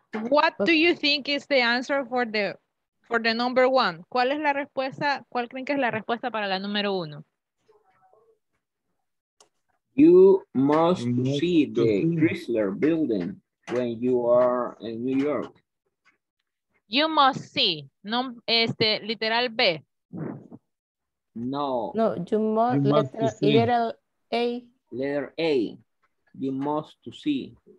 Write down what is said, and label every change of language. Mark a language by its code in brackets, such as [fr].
[en] What do you think is the answer for the number one? [es] ¿Cuál es la respuesta? ¿Cuál creen que es la respuesta para la número uno? [en] You must see the Chrysler Building when you are in New York. You must see. [es] No, este, literal B. No. [en] No, you must. Letter A. You must to see.